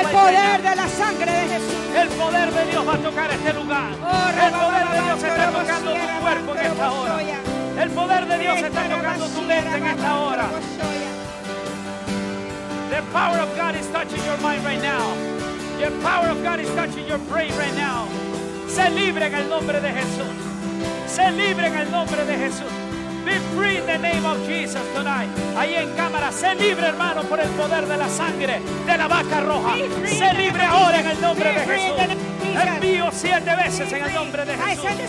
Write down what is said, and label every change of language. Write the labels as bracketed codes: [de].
[es] El poder de la sangre de Jesús. El poder de Dios va a tocar este lugar. El poder de Dios está tocando tu cuerpo en esta hora. El poder de Dios está tocando tu mente en esta hora. [en] The power of God is touching your mind right now. The power of God is touching your brain right now. [es] Sé libre en el nombre de Jesús. Sé libre en el nombre de Jesús. [en] Be free in the name of Jesus tonight. [es] Ahí en cámara, sé libre, hermano, por el poder de la sangre de la vaca roja. Sé libre ahora en el nombre de Jesús. Envío siete veces en el nombre de Jesús.